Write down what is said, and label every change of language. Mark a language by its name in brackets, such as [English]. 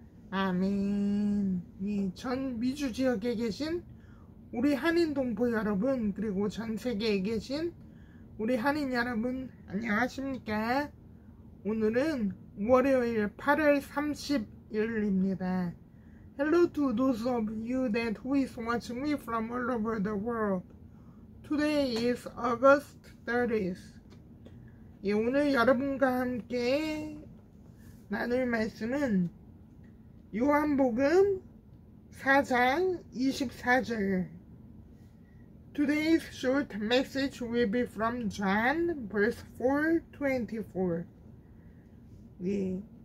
[Korean] 아멘. 이 전 미주 지역에 계신 우리 한인 동포 여러분 그리고 전 세계에 계신 우리 한인 여러분 안녕하십니까? 오늘은 월요일 8월 30일입니다. [English] Hello to those of you that who is watching me from all over the world. Today is August 30th. [Korean] 예, 오늘 여러분과 함께 나눌 말씀은 요한복음 4장 24절. [English] Today's short message will be from John, verse 4:24. 네.